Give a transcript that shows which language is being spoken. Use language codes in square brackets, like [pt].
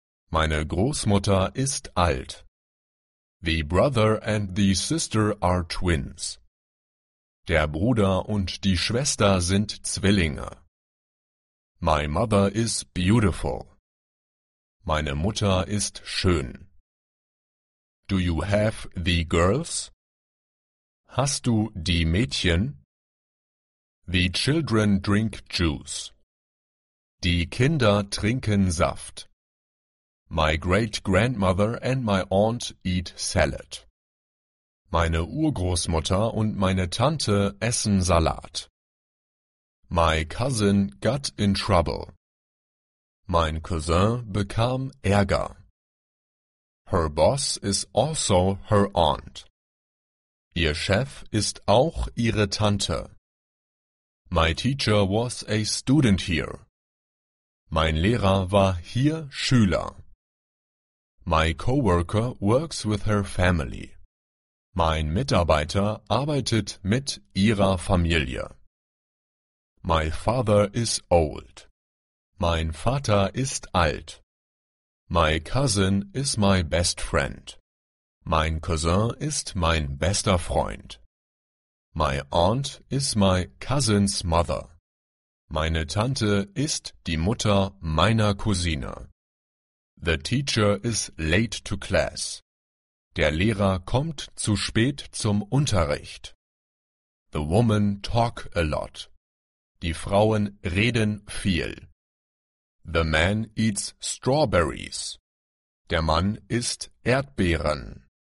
[de] Meine Großmutter ist alt. [en] The brother and the sister are twins. [de] Der Bruder und die Schwester sind Zwillinge. [en] My mother is beautiful. [de] Meine Mutter ist schön. [en] Do you have the girls? [de] Hast du die Mädchen? [en] The children drink juice. [de] Die Kinder trinken Saft. [en] My great-grandmother and my aunt eat salad. [de] Meine Urgroßmutter und meine Tante essen Salat. [en] My cousin got in trouble. [de] Mein Cousin bekam Ärger. [en] Her boss is also her aunt. [de] Ihr Chef ist auch ihre Tante. [en] My teacher was a student here. [de] Mein Lehrer war hier Schüler. [en] My coworker works with her family. [de] Mein Mitarbeiter arbeitet mit ihrer Familie. [en] My father is old. [de] Mein Vater ist alt. [en] My cousin is my best friend. [de] Mein Cousin ist mein bester Freund. [en] My aunt is my cousin's mother. [de] Meine Tante ist die Mutter meiner Cousine. [en] The teacher is late to class. [de] Der Lehrer kommt zu spät zum Unterricht. [en] The women talk a lot. [de] Die Frauen reden viel. [en] The man eats strawberries. [de] Der Mann isst Erdbeeren.